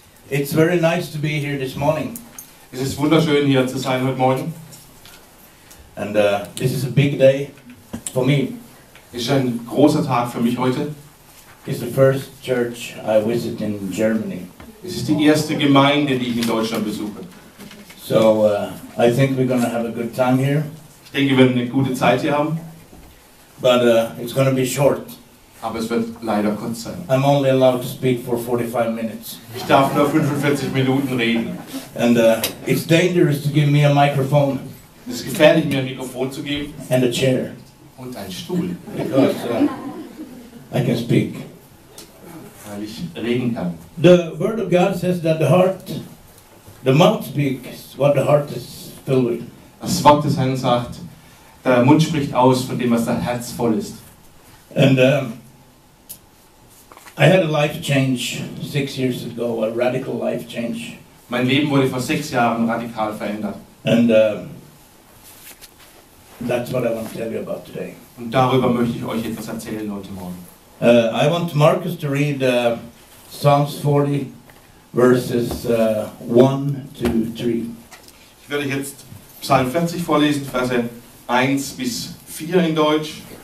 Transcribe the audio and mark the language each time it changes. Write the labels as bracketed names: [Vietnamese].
[English] It's very nice to be here this morning. [German] Es ist wunderschön, hier zu sein heute Morgen. [English] And this is a big day for me. [German] Es ist ein großer Tag für mich heute. [English] It's the first church I visit in Germany. [German] Es ist die erste Gemeinde, die ich in Deutschland besuche. [English] So, I think we're going to have a good time here. [German] Ich denke, wir werden eine gute Zeit hier haben. [English] But it's going to be short. [German] Aber es wird leider kurz sein. [English] I'm only allowed to speak for 45 minutes. [German] Ich darf nur 45 Minuten reden. [English] And it's dangerous to give me a microphone. [German] Es ist gefährlich, mir ein Mikrofon zu geben. [English] And a chair. [German] Und einen Stuhl. [English] Because I can speak. [German] Weil ich reden kann. [English] The Word of God says that the heart, the mouth speaks what the heart is filled with. [German] Das Wort des Herrn sagt, der Mund spricht aus von dem, was dein Herz voll ist. [English] And I had a life change 6 years ago, a radical life change. [German] Mein Leben wurde vor 6 Jahren radikal verändert. [English] And that's what I want to tell you about today. [German] Und darüber möchte ich euch etwas erzählen heute Morgen. [English] I want Marcus to read Psalms 40, verses 1 to 3. [German] Ich werde jetzt Psalm 40 vorlesen, Verse 1 bis 4 in Deutsch.